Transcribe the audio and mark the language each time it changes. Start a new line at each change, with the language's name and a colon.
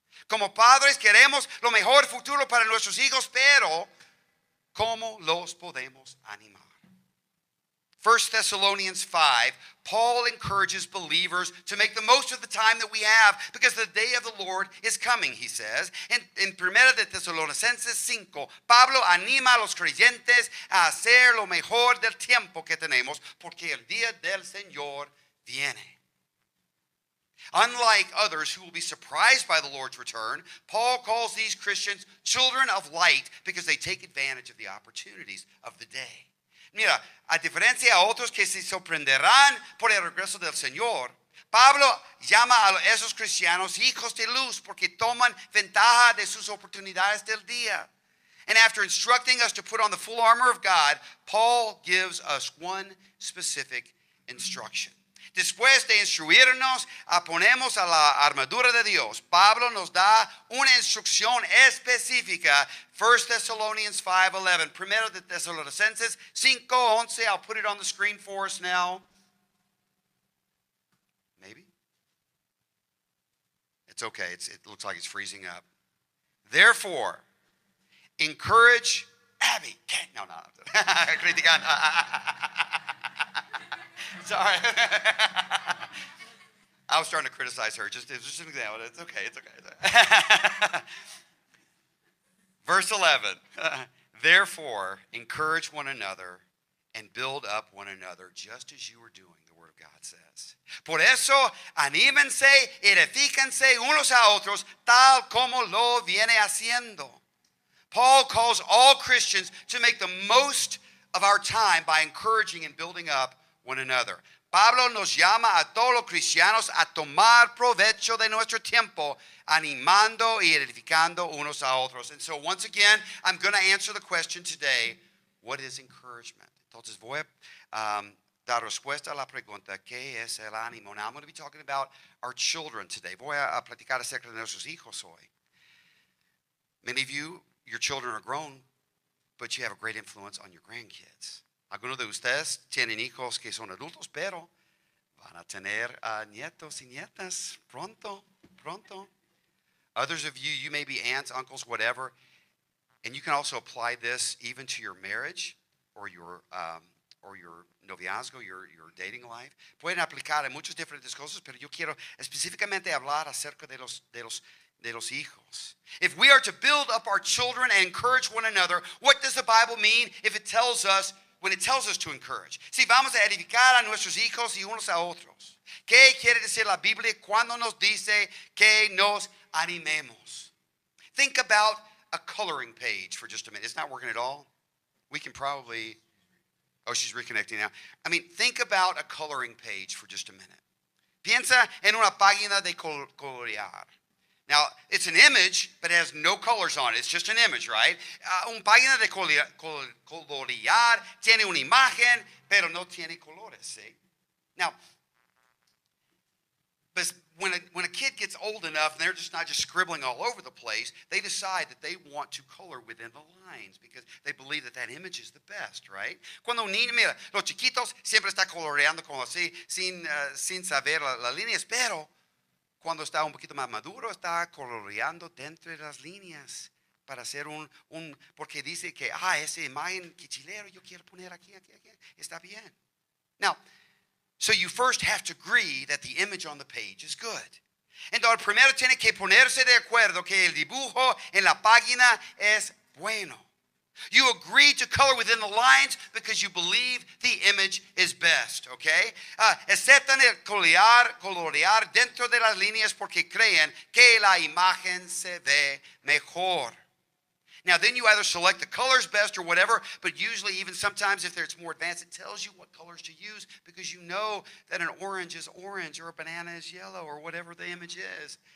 Spanish: Como padres queremos lo mejor futuro para nuestros hijos, pero ¿cómo los podemos animar?
English: 1 Thessalonians 5, Paul encourages believers to make the most of the time that we have because the day of the Lord is coming, he says.
Spanish: En 1 Thessalonians 5, Pablo anima a los creyentes a hacer lo mejor del tiempo que tenemos porque el día del Señor viene.
English: Unlike others who will be surprised by the Lord's return, Paul calls these Christians children of light because they take advantage of the opportunities of the day.
Spanish: Mira, a diferencia a otros que se sorprenderán por el regreso del Señor, Pablo llama a esos cristianos hijos de luz porque toman ventaja de sus oportunidades del día.
English: And after instructing us to put on the full armor of God, Paul gives us one specific instruction.
Spanish: Después de instruirnos a ponernos a la armadura de Dios, Pablo nos da una instrucción específica. 1 Thessalonians 5:11. Primero de Tesalonicenses 5:11.
English: I'll put it on the screen for us now. Maybe. It's okay. It looks like it's freezing up. Therefore, encourage Abby. No, no. Criticando. Sorry. I was starting to criticize her. Just an example. It's okay. It's okay. Verse 11. Therefore, encourage one another and build up one another just as you were doing, the word of God says.
Spanish: Por eso, anímense, edifíquense unos a otros tal como lo viene haciendo.
English: Paul calls all Christians to make the most of our time by encouraging and building up one another.
Spanish: Pablo nos llama a todos los cristianos a tomar provecho de nuestro tiempo, animando y edificando unos a otros.
English: And so once again, I'm going to answer the question today, what is encouragement?
Spanish: Entonces voy a dar respuesta a la pregunta, ¿qué es el ánimo?
English: Now I'm going to be talking about our children today.
Spanish: Voy a platicar acerca de nuestros hijos hoy.
English: Many of you, your children are grown, but you have a great influence on your grandkids.
Spanish: Algunos de ustedes tienen hijos que son adultos, pero van a tener nietos y nietas pronto.
English: Others of you, you may be aunts, uncles, whatever. And you can also apply this even to your marriage or your noviazgo, your dating life.
Spanish: Pueden aplicar en muchas diferentes cosas, pero yo quiero específicamente hablar acerca de los hijos.
English: If we are to build up our children and encourage one another, what does the Bible mean if it tells us, when it tells us to encourage?
Spanish: Si vamos a edificar a nuestros hijos y unos a otros, ¿qué quiere decir la Biblia cuando nos dice que nos animemos?
English: Think about a coloring page for just a minute. It's not working at all. We can probably, she's reconnecting now. I mean, think about a coloring page for just a minute.
Spanish: Piensa en una página de colorear.
English: Now, it's an image, but it has no colors on it. It's just an image, right?
Spanish: Un página de colorear tiene una imagen, pero no tiene colores, see?
English: Now, when a kid gets old enough and they're just not just scribbling all over the place, they decide that they want to color within the lines because they believe that that image is the best, right?
Spanish: Cuando un niño, mira, los chiquitos siempre están coloreando como así, sin saber las líneas, pero cuando está un poquito más maduro, está coloreando dentro de las líneas para hacer un porque dice que, esa imagen que chilero yo quiero poner aquí, está bien.
English: Now, so you first have to agree that the image on the page is good.
Spanish: Entonces, primero tiene que ponerse de acuerdo que el dibujo en la página es bueno.
English: You agree to color within the lines because you believe the image is best, okay?
Spanish: Aceptan el colorear dentro de las líneas porque creen que la imagen se ve mejor.
English: Now, then you either select the colors best or whatever, but usually even sometimes if it's more advanced, it tells you what colors to use because you know that an orange is orange or a banana is yellow or whatever the image is.